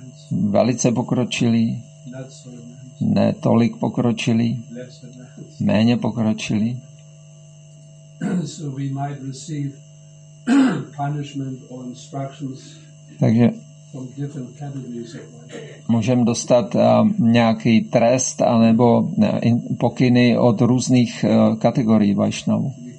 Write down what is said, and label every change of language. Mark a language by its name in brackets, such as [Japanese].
[Czech] velice pokročilí, ne tolik pokročilí, méně pokročilí. [English] So we might receive punishment or instructions. [Czech] Takže [English] from different categories of life. [Czech] Můžeme dostat nějaký trest anebo pokyny od různých kategorií Vaishnavů.